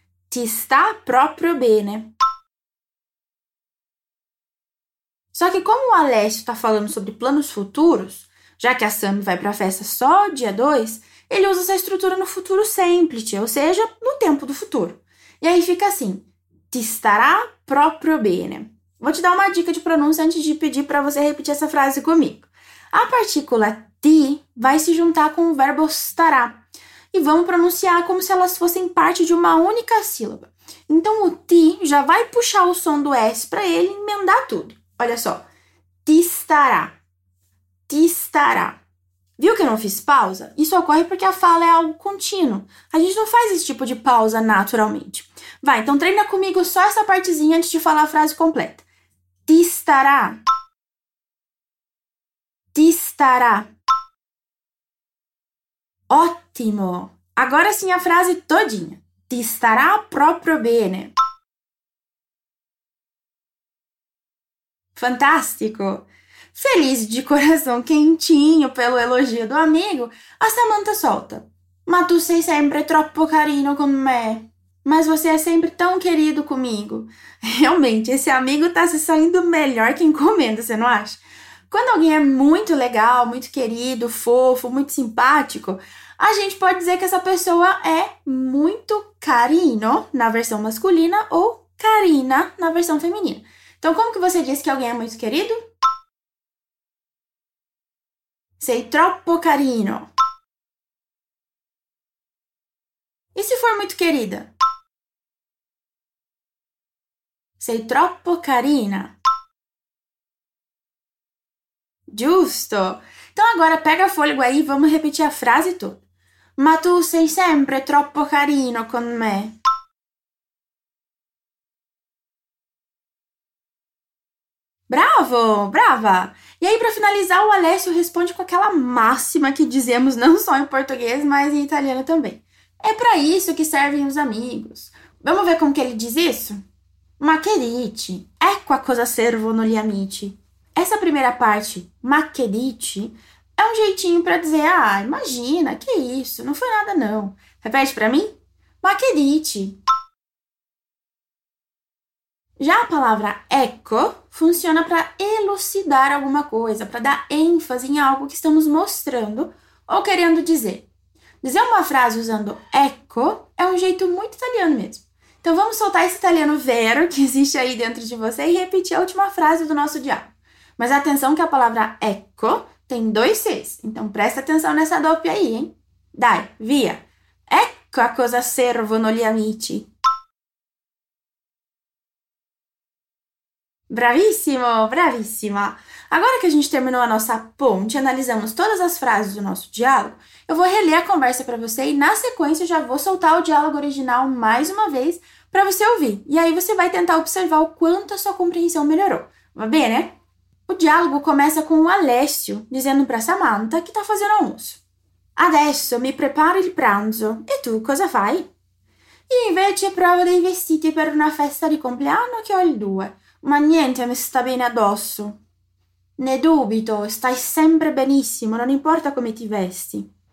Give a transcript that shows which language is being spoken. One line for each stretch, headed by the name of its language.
Italian: Ti sta proprio bene.
Portuguese: Só que como o Alessio está falando sobre planos futuros, já que a Sami vai para a festa só dia 2... ele usa essa estrutura no futuro semplice, ou seja, no tempo do futuro. E aí fica assim,
Italian: ti starà proprio bene.
Portuguese: Vou te dar uma dica de pronúncia antes de pedir para você repetir essa frase comigo. A partícula ti vai se juntar com o verbo starà. E vamos pronunciar como se elas fossem parte de uma única sílaba. Então, o ti já vai puxar o som do S para ele emendar tudo. Olha só,
Italian: ti starà, ti starà.
Portuguese: Viu que eu não fiz pausa? Isso ocorre porque a fala é algo contínuo. A gente não faz esse tipo de pausa naturalmente. Vai, então treina comigo só essa partezinha antes de falar a frase completa.
Italian: Ti starà. Ti starà.
Portuguese: Ótimo! Agora sim a frase todinha.
Italian: Ti starà proprio bene.
Portuguese: Fantástico! Feliz de coração quentinho pelo elogio do amigo, a Samantha solta.
Italian: Ma tu sei sempre troppo carino con me.
Portuguese: Mas você é sempre tão querido comigo. Realmente, esse amigo tá se saindo melhor que encomenda, você não acha? Quando alguém é muito legal, muito querido, fofo, muito simpático, a gente pode dizer que essa pessoa é muito carino na versão masculina ou carina na versão feminina. Então, como que você diz que alguém é muito querido?
Italian: Sei troppo carino.
Portuguese: E se for muito querida?
Italian: Sei troppo carina. Giusto!
Portuguese: Então agora pega fôlego aí e vamos repetir a frase toda.
Italian: Ma tu sei sempre troppo carino con me. Bravo! Brava!
Portuguese: E aí, para finalizar, o Alessio responde com aquela máxima que dizemos não só em português, mas em italiano também. É para isso que servem os amigos. Vamos ver como que ele diz isso?
Italian: Ma che dici? Ecco a cosa servono gli amici.
Portuguese: Essa primeira parte,
Italian: ma che dici,
Portuguese: é um jeitinho para dizer, ah, imagina, que isso, não foi nada não. Repete para mim.
Italian: Ma che dici?
Portuguese: Já a palavra ecco funciona para elucidar alguma coisa, para dar ênfase em algo que estamos mostrando ou querendo dizer. Dizer uma frase usando ecco é um jeito muito italiano mesmo. Então vamos soltar esse italiano vero que existe aí dentro de você e repetir a última frase do nosso diálogo. Mas atenção que a palavra ecco tem dois Cs, então presta atenção nessa doppia aí, hein?
Italian: Dai, via! Ecco a cosa servono gli amici. Bravissimo, bravissima!
Portuguese: Agora que a gente terminou a nossa ponte, analisamos todas as frases do nosso diálogo, eu vou reler a conversa para você e, na sequência, já vou soltar o diálogo original mais uma vez para você ouvir. E aí você vai tentar observar o quanto a sua compreensão melhorou.
Italian: Va bene,
Portuguese: né? O diálogo começa com o Alessio dizendo para Samantha que tá fazendo almoço.
Italian: Adesso mi preparo il pranzo. E tu cosa fai? Io invece provo dei vestiti per una festa di compleanno che ho il 2. Ma niente mi sta bene addosso. Ne dubito, stai sempre benissimo, non importa come ti vesti.